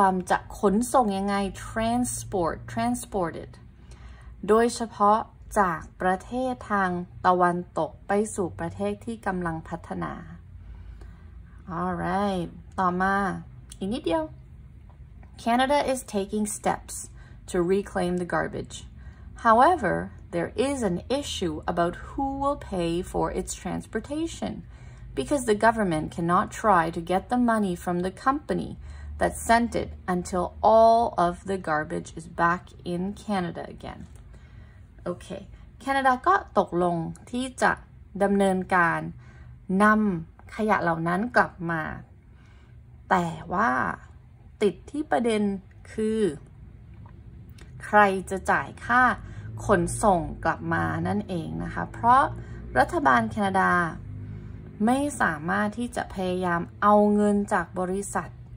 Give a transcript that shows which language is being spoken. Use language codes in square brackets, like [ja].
[th] จะขนส่งยังไง transported โดยเฉพาะจากประเทศทางตะวันตกไปสู่ประเทศที่กำลังพัฒนา alright ต่อมาอีกนิดเดียว [en] Canada is taking stepsto reclaim the garbage. However, there is an issue about who will pay for its transportation because the government cannot try to get the money from the company that sent it until all of the garbage is back in Canada again. [th] Okay, Canada ก็ตกลงที่จะดำเนินการนำขยะเหล่านั้นกลับมาแต่ว่าติดที่ประเด็นคือใครจะจ่ายค่าขนส่งกลับมานั่นเองนะคะเพราะรัฐบาลแคนาดาไม่สามารถที่จะพยายามเอาเงินจากบริษัท